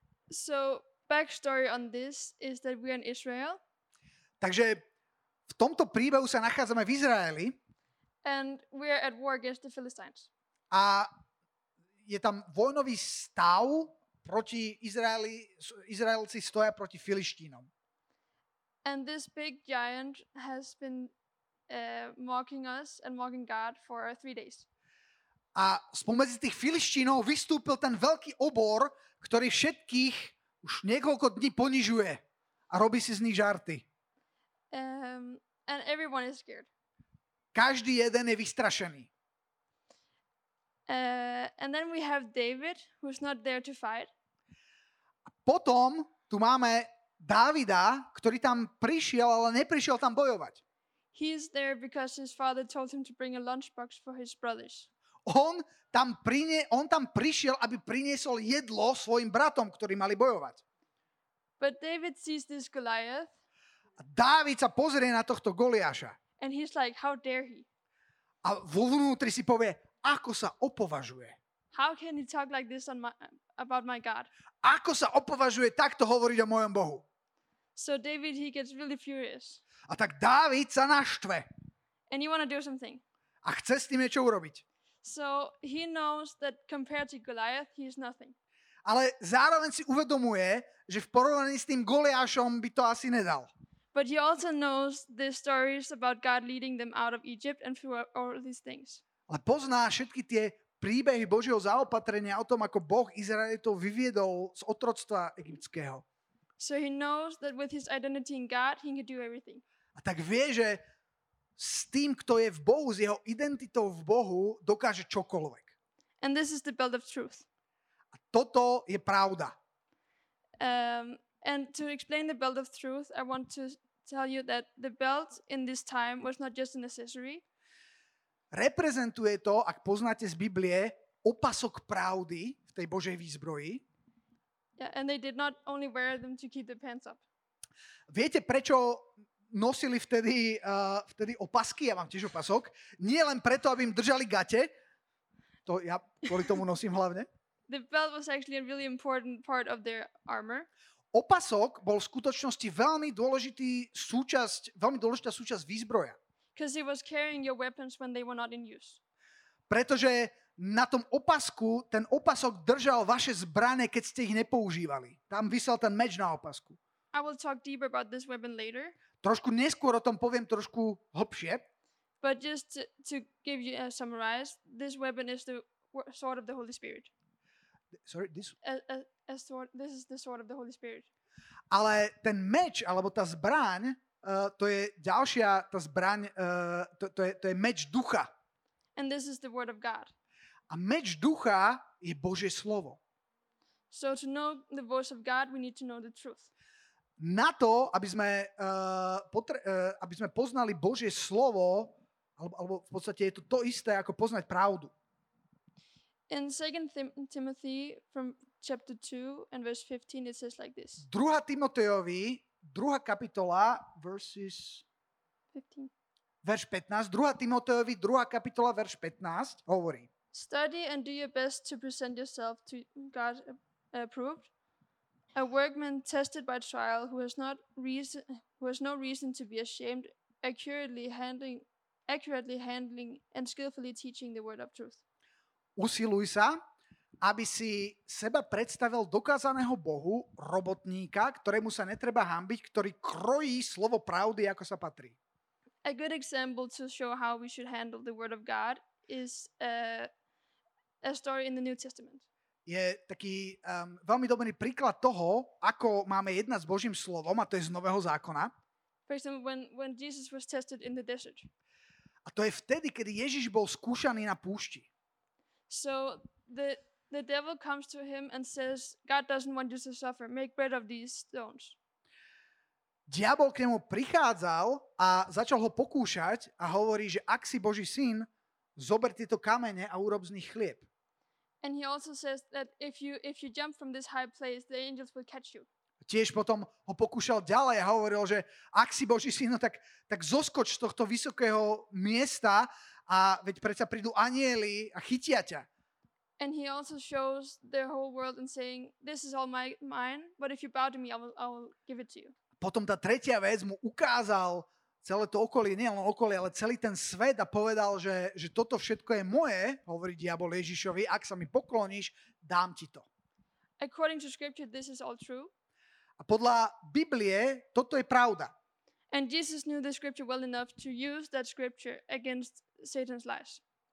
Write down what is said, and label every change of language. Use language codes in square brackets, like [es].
[en] So, backstory on this is that we are in Israel. [sk] Takže v tomto príbehu sa nachádzame v Izraeli. [en] And we are at war against the Philistines. [sk] A je tam vojnový stav proti Izraeli, Izraelci stoja proti Filištínom. [en] And this big giant has been mocking us and mocking God for 3 days. [sk] A spomedzi tých Filištínov vystúpil ten veľký obor, ktorý všetkých už niekoľko dní ponižuje a robí si z nich žarty. [en] And everyone is scared. [sk] Každý jeden je vystrašený. [en] And then we have David, who's not there to fight. [sk] A potom tu máme Dávida, ktorý tam prišiel, ale neprišiel tam bojovať. [en] He is there because his father told him to bring a lunchbox for his brothers. [sk] On tam prišiel, aby priniesol jedlo svojim bratom, ktorí mali bojovať. [en] But David sees this Goliath. [sk] A Dávid sa pozrie na tohto Goliáša. [en] And he's like, how dare he? [sk] A vo vnútri si povie, ako sa opovažuje. [en] How can he talk like this about my God? [sk] Ako sa opovažuje takto hovoriť o mojom Bohu? [en] So David, he gets really furious. [sk] A tak Dávid sa naštve. [en] And he wanna do something. [sk] A chce s tým niečo urobiť. [en] So he knows that compared to Goliath, he is nothing. [sk] Ale zároveň si uvedomuje, že v porovnaní s tým Goliášom by to asi nedal. [en] But he also knows the stories about God leading them out of Egypt and through all these things. [sk] Ale pozná všetky tie príbehy Božieho zaopatrenia o tom, ako Boh Izraelitov vyviedol z otroctva egyptského. [en] So he knows that with his identity in God, he can do everything. [sk] A tak vie, že s tým, kto je v Bohu, s jeho identitou v Bohu, dokáže čokoľvek. [en] And this is the belt of truth. [sk] A toto je pravda. [en] And to explain the belt of truth, I want to tell you that the belt in this time was not just an accessory. [sk] Reprezentuje to, ak poznáte z Biblie, opasok pravdy v tej Božej výzbroji. [en] Yeah, and they did not only wear them to keep their pants up. [sk] Viete, prečo nosili vtedy opasky? Ja mám tiež opasok. Nie len preto, aby im držali gate. To ja kvôli tomu nosím hlavne. [en] The belt was actually a really important part of their armor. [sk] Opasok bol v skutočnosti veľmi dôležitá súčasť výzbroja. [en] Because he was carrying your weapons when they were not in use. [sk] Pretože na tom opasku, ten opasok držal vaše zbrane, keď ste ich nepoužívali. Tam visel ten meč na opasku. [en] I will talk deeper about this weapon later. [sk] Trošku neskôr o tom poviem trošku hlbšie. [en] But just to give you a summarize, this weapon is the sword of the Holy Spirit. Sorry, this? A sword, this is the sword of the Holy Spirit. [sk] Ale ten meč, alebo tá zbraň, to je ďalšia, tá zbraň, to je meč ducha. [en] And this is the word of God. [sk] A meč ducha je Božie slovo. [en] So to know the voice of God, we need to know the truth. [sk] Na to, aby sme poznali Božie slovo, alebo v podstate je to to isté, ako poznať pravdu. [en] In 2 Timothy from chapter 2 and verse 15 it says like this. [sk] 2. Timoteovi, 2. kapitola [en] verses 15. [sk] Verš 15, 2. Timoteovi, 2. kapitola verš 15 hovorí. [en] Study and do your best to present yourself to God approved, a workman tested by trial who has no reason to be ashamed, accurately handling and skillfully teaching the word of truth. [sk] Usiluj sa, aby si seba predstavil dokázaného Bohu, robotníka, ktorému sa netreba hanbiť, ktorý krojí slovo pravdy, ako sa patrí. [en] A good example to show how we should handle the word of God is a story in the New Testament. [sk] Je taký veľmi dobrý príklad toho, ako máme jednať s Božím slovom, a to je z Nového zákona. [en] For example, when Jesus was tested in the desert. [sk] A to je vtedy, kedy Ježiš bol skúšaný na púšti. [en] So the devil comes to him and says, God doesn't want you to suffer. Make bread of these stones. [sk] Diabol k nemu prichádzal a začal ho pokúšať a hovorí, že ak si Boží syn, zober tieto kamene a urob z nich chlieb. [en] And he also says that if you jump from this high place, the angels will catch you. [sk] Tiež potom ho pokúšal ďalej a hovoril, že ak si Boží syn, tak zoskoč z tohto vysokého miesta, a veď predsa prídu anjeli a chytia ťa. [en] And he also shows the whole world and saying, this is all mine, but if you bow to me, I will give it to you. [sk] Potom tá tretia vec mu ukázal celé to okolie, nie len okolie, ale celý ten svet a povedal, že toto všetko je moje, hovorí diabol Ježišovi, ak sa mi pokloníš, dám ti to. [en] According to scripture, this is all true. [sk] A podľa Biblie, toto je pravda. [en] And Jesus knew the scripture well enough to use that scripture against Satan's lies.